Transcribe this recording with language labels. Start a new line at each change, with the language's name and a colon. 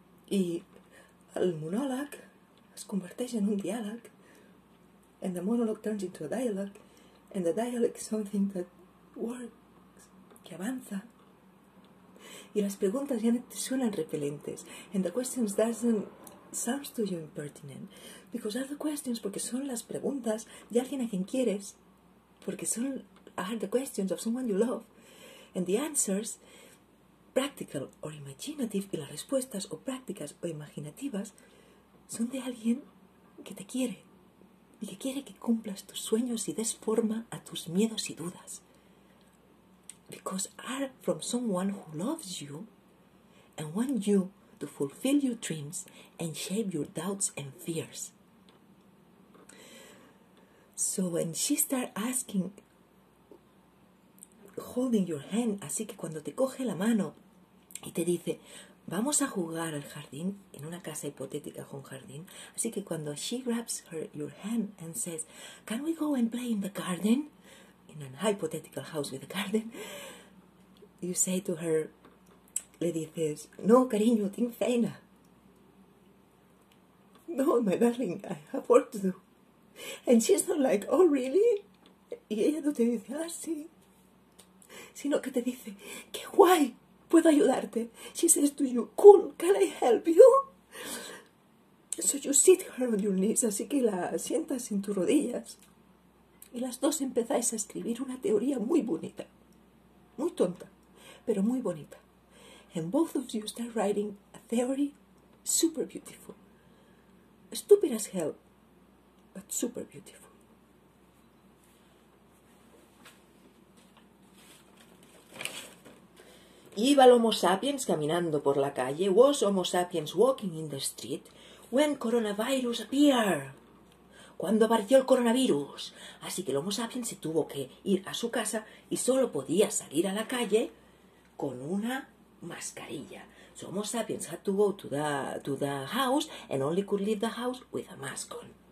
Catalan: I el monòleg es converteix en un diàleg.
English: And the monologue turns into a dialogue. And the dialogue is something that works.
Spanish: que avanza. Y las preguntas ya te suenan repelentes.
English: And the questions doesn't sound to you impertinent. Because are the questions,
Spanish: porque son las preguntas de alguien a quien quieres. Porque son,
English: are the questions of someone you love. And the answers, practical or imaginative,
Spanish: y las respuestas o prácticas o imaginativas, son de alguien que te quiere. Y que quiere que cumplas tus sueños y des forma a tus miedos y dudas.
English: Because are from someone who loves you and want you to fulfill your dreams and shape your doubts and fears. So when she starts asking, holding your hand,
Spanish: así que cuando te coge la mano y te dice, vamos a jugar al jardín, en una casa hipotética con jardín, así que cuando
English: she grabs your hand and says, can we go and play in the garden? In a hypothetical house with a garden, you say to her,
Spanish: le dices, no, cariño, tengo faena.
English: No, my darling, I have work to do. And she's not like, oh, really?
Spanish: Y ella no te dice, ah, sí. Sino que te dice, qué guay, puedo ayudarte.
English: She says to you, cool, can I help you? So you sit her on your knees,
Spanish: así que la sientas en tus rodillas. Y las dos empezáis a escribir una teoría muy bonita. Muy tonta, pero muy bonita.
English: And both of you start writing a theory super beautiful. Stupid as hell, but super beautiful.
Spanish: Iba el Homo sapiens caminando por la calle.
English: Was Homo sapiens walking in the street when coronavirus appeared?
Spanish: Cuando apareció el coronavirus. Así que el Homo sapiens se tuvo que ir a su casa y solo podía salir a la calle con una mascarilla.
English: So Homo sapiens had to go to the house and only could leave the house with a mask on.